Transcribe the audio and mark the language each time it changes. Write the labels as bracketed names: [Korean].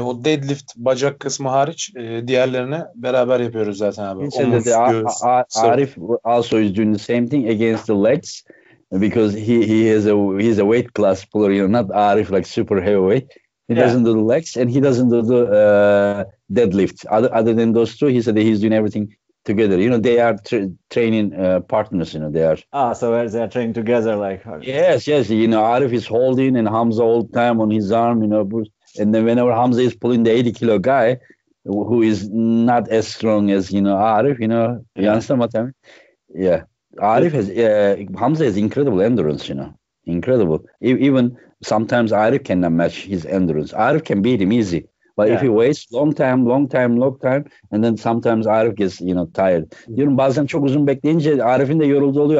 [Turkish] O deadlift bacak kısmı hariç diğerlerine beraber yapıyoruz zaten abi. [English] Arif also is doing the same thing against the legs because he's a weight class puller, you know, not Arif like super heavyweight. He doesn't do the legs and he doesn't do the deadlift. Other than those two, he said that he's doing everything together. You know, they are training partners, you know, they are. Ah, so they are training together like. Yes. You know, Arif is holding and Hamza all the time on his arm, you know. And then whenever Hamza is pulling the 80 kilo guy who is not as strong as, you know, Arif, you know. Yeah. You understand what I mean? Yeah. Arif has, Hamza has incredible endurance, you know. Incredible. Even sometimes Arif cannot match his endurance. Arif can beat him easy. But if he waits long time, and then sometimes Arif gets, you know, tired. [Turkish] Diyorum bazen çok uzun bekleyince Arif'in de yoruldu oluyor.